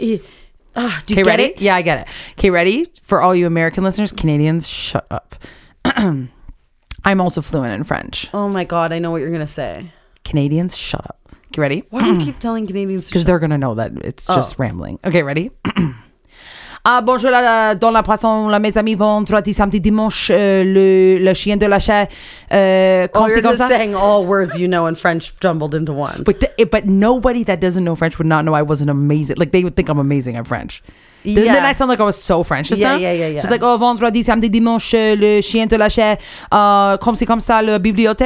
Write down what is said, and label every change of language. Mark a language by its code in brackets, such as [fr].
[en] do you get ready? It? Yeah, I get it. Okay, ready? For all you American listeners, Canadians, shut up. I'm also fluent in French. Oh my God, I know what you're going to say. Canadians, shut up. You ready? Why do you keep telling Canadians? Because they're going to know that it's just rambling. Okay, ready? [fr] bonjour, dans la poisson, la mes amis vont traiter samedi dimanche le chien de la chair. [en] You're just saying all words you know in French jumbled into one. But nobody that doesn't know French would not know I wasn't amazing. Like, they would think I'm amazing at French. Yeah. Didn't I sound like I was so French just now? Yeah. She's like, oh, [fr] vendredi, samedi, dimanche, le chien de la chair, comme si comme ça, la bibliothèque.